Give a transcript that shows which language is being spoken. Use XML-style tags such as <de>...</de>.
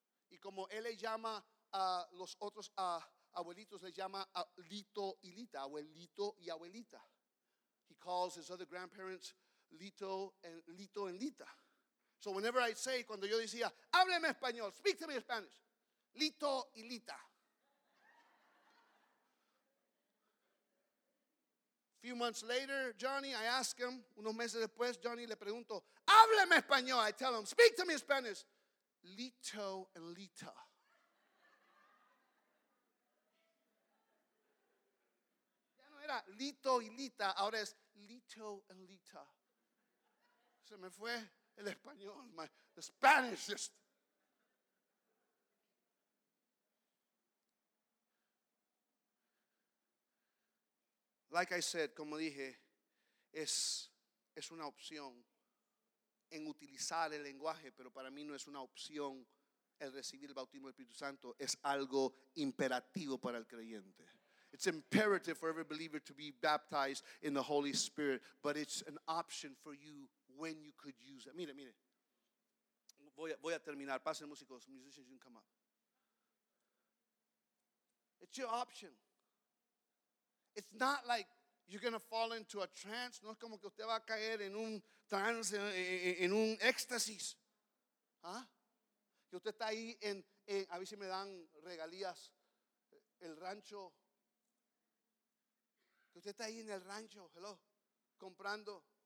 <es>Y como él le llama a los otros abuelitos, le llama Lito y Lita, abuelito y abuelita.</es> <en>He calls his other grandparents Lito and Lita. So whenever I say,</en> <es>cuando yo decía, hábleme español,</es> <en>speak to me in Spanish, Lito y Lita. A few months later, Johnny, I ask him,</en> <es>unos meses después, Johnny, le pregunto, hábleme español.</es> <en>I tell him, speak to me in Spanish. Lito and Lita.</en> <es>Ya no era Lito y Lita, ahora es Lito and Lita. Se me fue el español,</es> <en>the Spanish just. Like I said,</en> <es>como dije, es una opción en utilizar el lenguaje, pero para mí no es una opción el recibir el bautismo del Espíritu Santo, es algo imperativo para el creyente.</es> <en>It's imperative for every believer to be baptized in the Holy Spirit, but it's an option for you when you could use it.</en> <es>Mire, voy a terminar. Pasen músicos,</es> <en>musicians, you can come up. It's your option. It's not like you're going to fall into a trance.</en> <es>No es como que usted va a caer en un trance, en un éxtasis. ¿Ah? Que usted está ahí en a ver si me dan regalías, el rancho. Que usted está ahí en el rancho, hello, comprando.</es>